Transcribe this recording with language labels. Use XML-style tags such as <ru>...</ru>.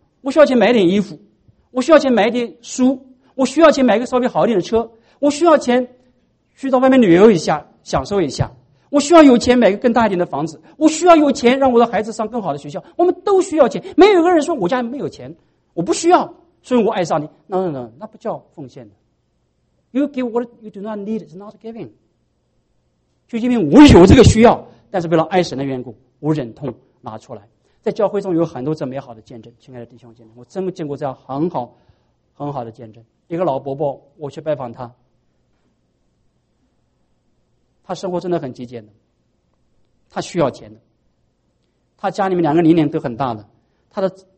<zh>我需要钱买点衣服，我需要钱买点书，我需要钱买个稍微好一点的车，我需要钱去到外面旅游一下，享受一下，我需要有钱买个更大一点的房子，我需要有钱让我的孩子上更好的学校，我们都需要钱，没有一个人说我家没有钱，我不需要，所以我爱上你。</zh> <en>No,</en> <zh>那不叫奉献的。</zh> <en>You give what you do not need is not giving。</en> <zh>就因为我有这个需要，但是为了爱神的缘故，我忍痛拿出来。在教会中有很多这美好的见证，亲爱的弟兄姐妹，我真的见过这样很好很好的见证。一个老伯伯，我去拜访他，他生活真的很极简的，他需要钱的，他家里面两个年龄都很大的，他的</zh>